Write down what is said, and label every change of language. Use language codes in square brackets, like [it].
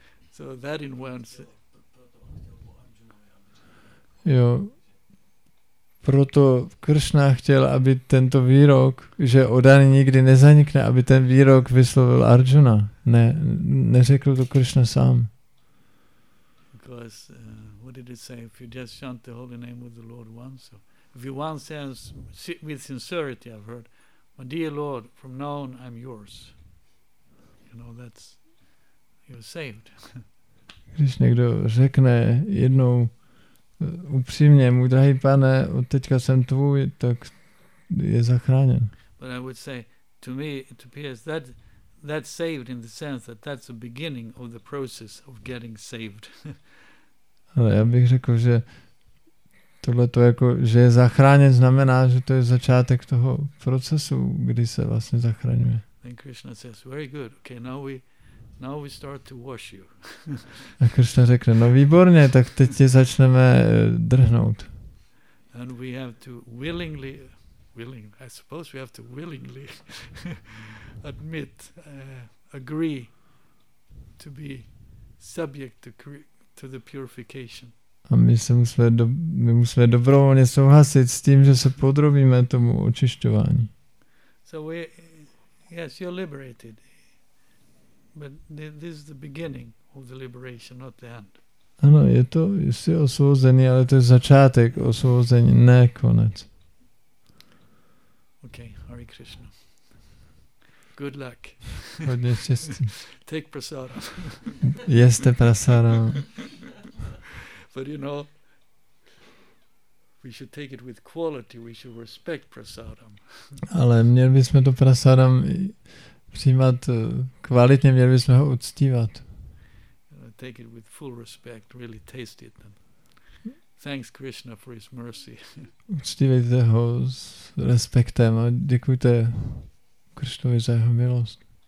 [en] So that in one. [cs] Jo. Proto Krishna chtěl, aby tento výrok, že oddaný nikdy nezanikne, aby ten výrok vyslovil Arjuna. Ne, neřekl to Krishna sám. [en] Because what did it say? If you just chant the holy name of the Lord once, if you once answer with sincerity, I've heard, my dear Lord, from now on I'm yours. You know that's you're saved. [cs] Když někdo řekne jednou upřímně, můj drahý pane, od teďka jsem tvůj, tak je zachráněn. [en] But I would say to me it appears that that's saved in the sense that that's the beginning of the process of getting saved. [cs] Ale já bych řekl, že tohle to jako že je zachráněn znamená, že to je začátek toho procesu, kdy se vlastně zachraňuje. [en] Then Krishna says, very good. Okay, now we start to wash you. [cs] A Krishna řekne, no výborně, tak teď tě začneme drhnout. [en] And we have to willingly admit, agree to be subject to the purification. [cs] A my musíme dobrovolně souhlasit s tím, že se podrobíme tomu očišťování. [en] So we, yes, you're liberated. But this is the beginning of the liberation, not the end. [cs] Ano, je to, jsi osvobozený, ale to je začátek osvobození, ne konec. [en] Okay, Hare Krishna. Good luck. [cs] Hodně štěstí. [en] Take prasada. [cs] Jeste prasada. [en] But you know, we should take it with quality. We should respect prasadam. [cs] Ale měli bychom to prasadam přijímat kvalitně, měli bychom ho uctívat. [en] Take it with full respect, really taste it. Thanks Krishna for his mercy. [cs] Uctívejte ho s respektem a děkujte Krishnovi za jeho milost.